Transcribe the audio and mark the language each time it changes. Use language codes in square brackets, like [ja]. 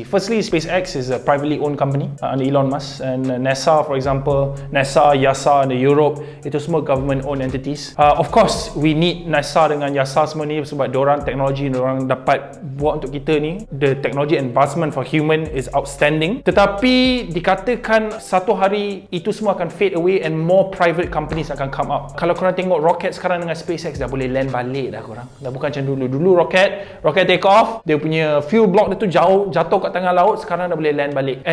[en] Firstly, SpaceX is a privately owned company under Elon Musk, and NASA, for example, NASA, YASA in Europe, [ms] itu semua [en] government owned entities. Of course, we need [ms] NASA dengan YASA semua ni sebab diorang teknologi yang diorang dapat buat untuk kita ni. [en] The technology advancement for human is outstanding. [ms] Tetapi dikatakan satu hari itu semua akan [en] fade away and more private companies [ms] akan [en] come up. [ms] Kalau korang tengok roket sekarang dengan SpaceX, dah boleh land balik dah korang. Dah bukan macam dulu. Dulu roket [en] take off, [ms] dia punya fuel block dia tu jatuh kat tengah laut, sekarang dah boleh land balik.